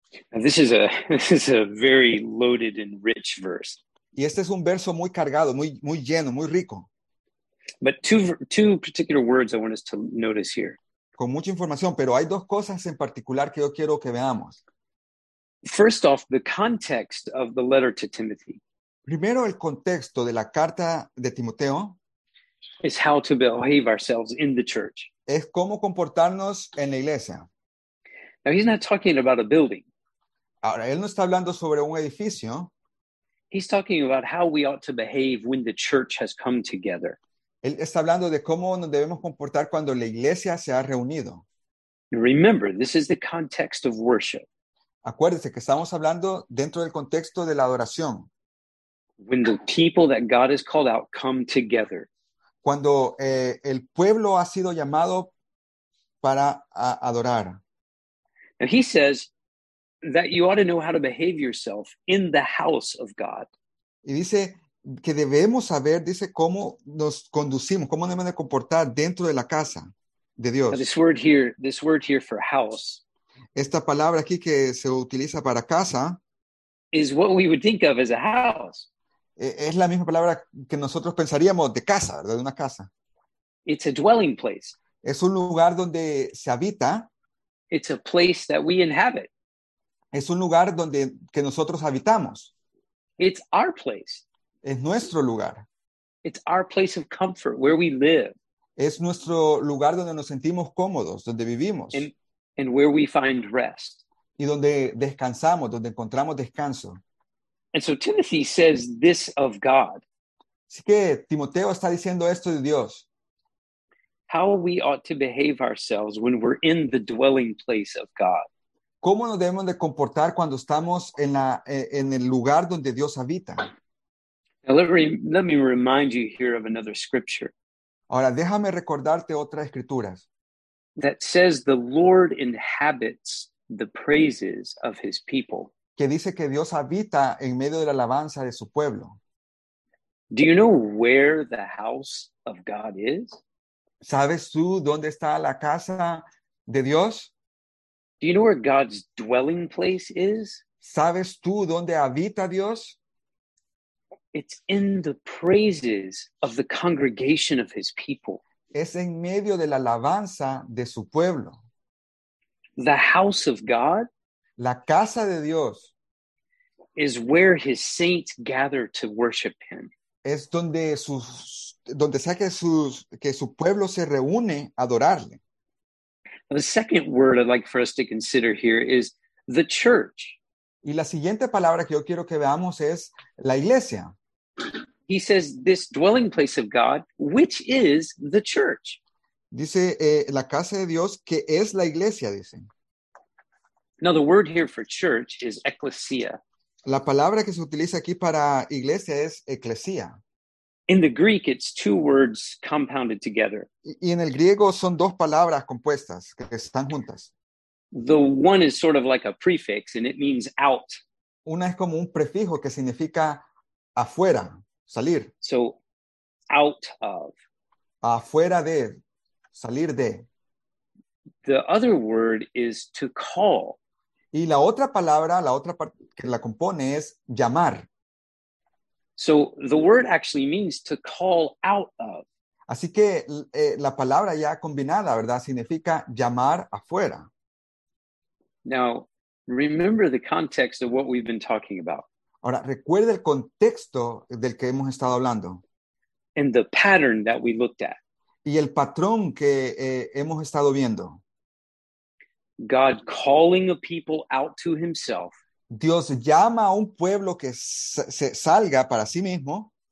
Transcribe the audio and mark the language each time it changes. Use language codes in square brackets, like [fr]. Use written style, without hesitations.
[en] This is a very loaded and rich verse. [es] Y este es un verso muy cargado, muy muy lleno, muy rico. [en] But two particular words I want us to notice here. [es] Con mucha información, pero hay dos cosas en particular que yo quiero que veamos. [en] First off, the context of the letter to Timothy. [es] Primero, el contexto de la carta de Timoteo. [en] Is how to behave ourselves in the church. [es] Es cómo comportarnos en la iglesia. [en] Now, he's not talking about a building. [es] Ahora, él no está hablando sobre un edificio. [en] He's talking about how we ought to behave when the church has come together. [es] Él está hablando de cómo nos debemos comportar cuando la iglesia se ha reunido. [en] Remember, this is the context of worship. [es] Acuérdese que estamos hablando dentro del contexto de la adoración. [en] When the people that God has called out come together. [es] Cuando el pueblo ha sido llamado para adorar. [en] Now he says that you ought to know how to behave yourself in the house of God. [es] Y dice que debemos saber, dice, cómo nos conducimos, cómo debemos de comportar dentro de la casa de Dios. [en] Now this word here for house. [es] Esta palabra aquí que se utiliza para casa [en] is what we would think of as a house. [es] Es la misma palabra que nosotros pensaríamos de casa, de una casa. [en] It's a dwelling place. [es] Es un lugar donde se habita. [en] It's a place that we inhabit. [es] Es un lugar donde que nosotros habitamos. [en] It's our place. [es] Es nuestro lugar. [en] It's our place of comfort, where we live. [es] Es nuestro lugar donde nos sentimos cómodos, donde vivimos. [en] And where we find rest. [es] Y donde descansamos, donde encontramos descanso. [en] And so Timothy says this of God. [es] Así que Timoteo está diciendo esto de Dios. [en] How we ought to behave ourselves when we're in the dwelling place of God. [es] ¿Cómo nos debemos de comportar cuando estamos en el lugar donde Dios habita? [en] Now let me remind you here of another scripture. [es] Ahora déjame recordarte otras escrituras. [en] That says the Lord inhabits the praises of his people. [es] Que dice que Dios habita en medio de la alabanza de su pueblo. [en] Do you know where the house of God is? [es] ¿Sabes tú dónde está la casa de Dios? [en] Do you know where God's dwelling place is? [es] ¿Sabes tú dónde habita Dios? [en] It's in the praises of the congregation of his people. [es] Es en medio de la alabanza de su pueblo. [en] The house of God. [es] La casa de Dios. [en] Is where his saints gather to worship him. [es] Es donde sea que su pueblo se reúne a adorarle. [en] The second word I'd like for us to consider here is the church. [es] Y la siguiente palabra que yo quiero que veamos es la iglesia. [en] He says, this dwelling place of God, which is the church. [es] Dice, la casa de Dios, que es la iglesia, dice. [en] Now the word here for church is ecclesia. [es] La palabra que se utiliza aquí para iglesia es eclesia. [en] In the Greek, it's two words compounded together. [es] Y en el griego son dos palabras compuestas que están juntas. [en] The one is sort of like a prefix, and it means out. [es] Una es como un prefijo que significa afuera, salir. [en] So, out of. [es] Afuera de, salir de. [en] The other word is to call. [es] Y la otra palabra, la otra parte que la compone es llamar. [en] So the word actually means to call out of. [es] Así que la palabra ya combinada, ¿verdad? Significa llamar afuera. [en] Now, remember the context of what we've been talking about. [es] Ahora, recuerde el contexto del que hemos estado hablando. [en] And the pattern that we looked at. [es] Y el patrón que hemos estado viendo. [en] God calling a people out to himself. [es] Dios llama a un pueblo que se salga para sí mismo.